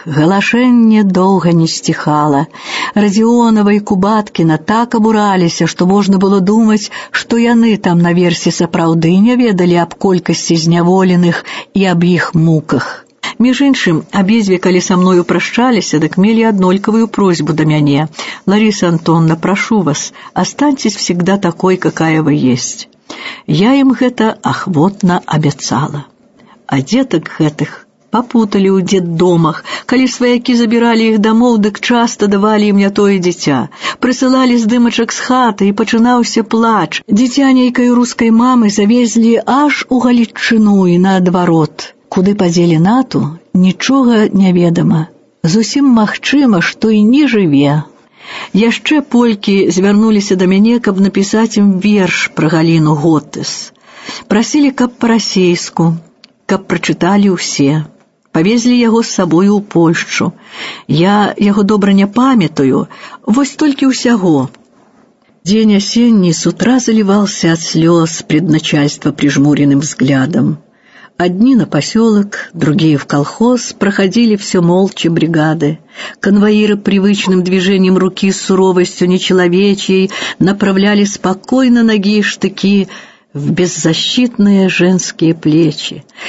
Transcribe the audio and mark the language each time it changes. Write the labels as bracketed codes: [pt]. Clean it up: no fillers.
[be] Галашэнне доўга не сціхала. Радзіонава і Кубаткіна так абураліся, што можна было думаць, што яны там наверсе сапраўды не ведалі аб колькасці зняволеных і аб іх муках. Між іншым, абедзве, калі са мною прашчаліся, дык мелі аднолькавую просьбу да мяне. [ru] «Лариса Антонна, прашу вас, астаньцесь всегда такой, какая вы есть». [be] Я ім гэта ахвотна абяцала. А дзетак гэтых папуталі ў дзетдомах. Калі сваякі забіралі іх дамоў, дык часта давалі ім не тое дзіця. Прысылалі здымачак з хаты, і пачынаўся плач. Дзіця нейкай рускай мамы завезлі аж у Галічыну і наадварот. Куды падзелі нату, нічога не ведама. Зусім магчыма, што і не жыве. Яшчэ полькі звярнуліся да мяне, каб напісаць ім верш пра Галіну Готэс. Прасілі, каб па-расейску, каб прачыталі ўсе. Павезлі яго з сабою ў Польшчу. Я яго добра не памятаю, вось толькі ўсяго. Дзень асенні с утра заліваўся ад слёз пред [ru] начальства прыжмуреным взглядам. Одни на поселок, другие в колхоз, проходили все молча бригады. Конвоиры привычным движением руки с суровостью нечеловечьей направляли спокойно ноги и штыки в беззащитные женские плечи.